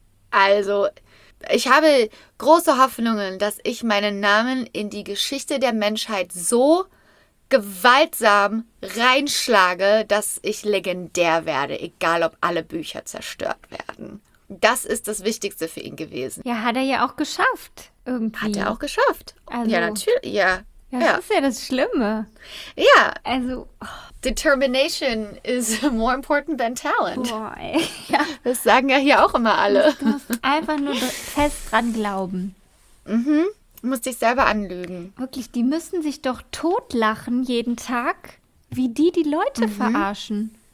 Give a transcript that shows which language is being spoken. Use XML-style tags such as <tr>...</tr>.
<de>Also, ich habe große Hoffnungen, dass ich meinen Namen in die Geschichte der Menschheit so gewaltsam reinschlage, dass ich legendär werde, egal ob alle Bücher zerstört werden. Das ist das Wichtigste für ihn gewesen. Ja, hat er ja auch geschafft. Irgendwie. Hat er auch geschafft. Also, ja, natürlich. Ja. Ja, das ist ja das Schlimme. Ja. Also.</de> <en>Determination is more important than talent.</en> <de>Boah, ey. Ja. Das sagen ja hier auch immer alle. Du musst einfach nur fest dran glauben. Mhm. Du musst dich selber anlügen. Wirklich, die müssen sich doch totlachen jeden Tag, wie die Leute verarschen.</de>